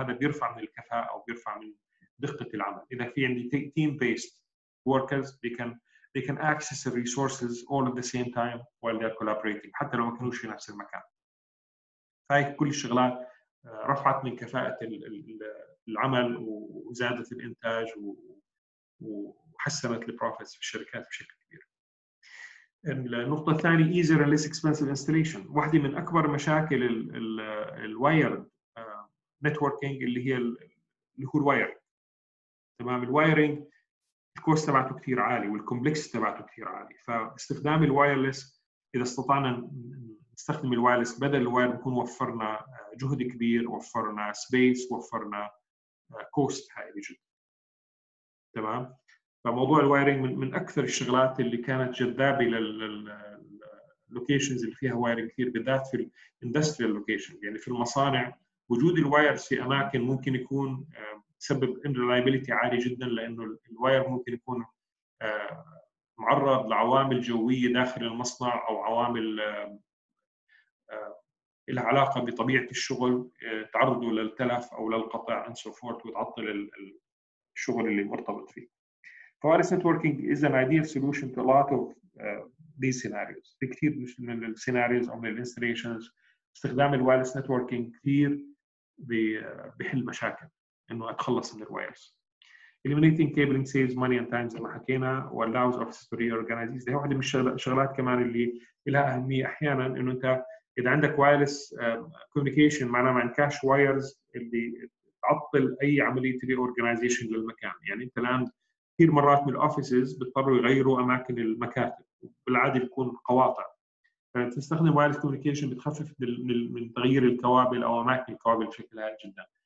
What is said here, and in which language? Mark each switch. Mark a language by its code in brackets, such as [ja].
[ar] هذا بيرفع من الكفاءه وبيرفع من دقه العمل. اذا في عندي تيم بيست وركرز [en] they can access the resources all at the same time while they're collaborating [ar] حتى لو ما كانوش في نفس المكان. هاي كل الشغلات رفعت من كفاءة العمل وزادت الإنتاج وحسنت البروفيتس في الشركات بشكل كبير. النقطة الثانية [en] easier and less expensive installation. [ar] واحدة من أكبر مشاكل الوايرد networking اللي هو الوايرد. تمام، الوايرينج الكوست تبعته كثير عالي والكومبلكس تبعته كثير عالي. فاستخدام الوايرلس، اذا استطعنا نستخدم الوايرلس بدل الواير بكون وفرنا جهد كبير، وفرنا سبيس، وفرنا كوست هائل جدا. تمام. فموضوع الوايرنج من اكثر الشغلات اللي كانت جذابه لللوكيشنز اللي فيها وايرنج كثير، بالذات في الاندستريال لوكيشن، يعني في المصانع وجود الوايرز في اماكن ممكن يكون سبب انريلايبيليتي عالي جدا، لانه الواير ممكن يكون معرض لعوامل جويه داخل المصنع او عوامل لها علاقه بطبيعه الشغل، تعرضه للتلف او للقطع [en] and so forth، [ar] وتعطل الشغل اللي مرتبط فيه. [en] فوارس networking is an ideal solution to a lot of these scenarios. [ar] في كثير من السيناريوز او من الانستليشنز استخدام الوايرلس نتوركينج كثير بحل مشاكل انه اتخلص من الوايرز. [en] Eliminating cabling saves money and time [ar] زي ما حكينا، [en] و allows offices to reorganize. [ar] هي واحدة من الشغلات كمان اللي لها أهمية أحيانا، إنه أنت إذا عندك wireless communication معناه مع cash wires اللي تعطل أي عملية reorganization للمكان. يعني أنت الآن كثير مرات من offices بيضطروا يغيروا أماكن المكاتب، بالعادة يكون قواطع، فتستخدم wireless communication بتخفف من تغيير الكوابل أو أماكن الكوابل بشكل هائل جدا.